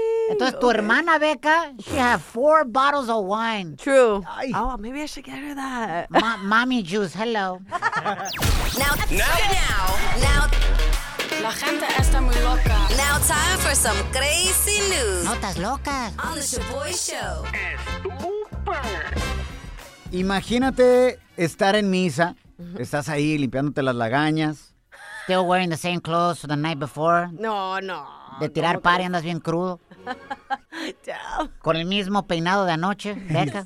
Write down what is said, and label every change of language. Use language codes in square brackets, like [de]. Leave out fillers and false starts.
[en] Entonces, okay. [es] Tu hermana, [en] Becca, she has four bottles of wine. True. Ay. Oh, maybe I should get her that. Mommy juice, hello. Now. [es] La gente está muy loca. [en] Now time for some crazy news. [es] Notas locas. [en] On the Shaboy Show. [es] Imagínate estar en misa. Estás ahí limpiándote las lagañas. [en] Still wearing the same clothes from the night before. No. [es] De tirar party andas bien crudo. [en] Damn. [es] Con el mismo peinado de anoche, Becca.